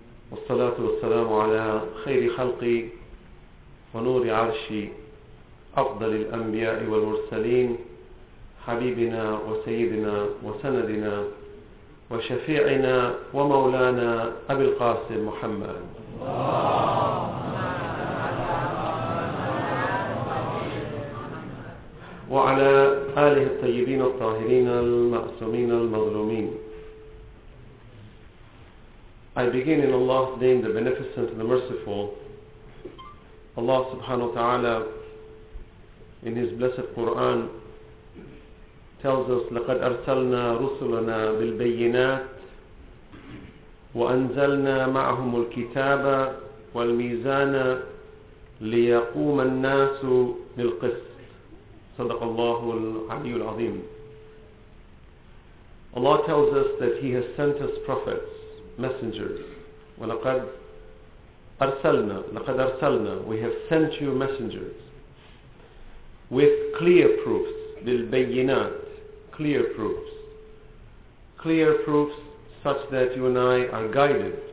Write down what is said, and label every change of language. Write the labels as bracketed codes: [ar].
[ar] والصلاة والسلام على خير خلقي ونور عرشي أفضل الأنبياء والمرسلين حبيبنا وسيدنا وسندنا وشفيعنا ومولانا أبي القاسم محمد. وعلى آله الطيبين الطاهرين المعصومين المظلومين. [en] I begin in Allah's name, the Beneficent, the Merciful. Allah subhanahu wa ta'ala in His blessed Quran tells us, [ar] لَقَدْ أَرْسَلْنَا رُسُلَنَا بِالْبَيِّنَاتِ وَأَنْزَلْنَا مَعْهُمُ الْكِتَابَ وَالْمِيزَانَ لِيَقُومَ النَّاسُ بِالْقِسْطِ. صدق الله العلي العظيم. [en] Allah tells us that He has sent us prophets, messengers. [ar] وَلَقَدْ أَرْسَلْنَا لَقَدْ أَرْسَلْنَا [en] We have sent you messengers with clear proofs. بِالْبَيِّنَاتِ Clear proofs. Clear proofs such that you and I are guided.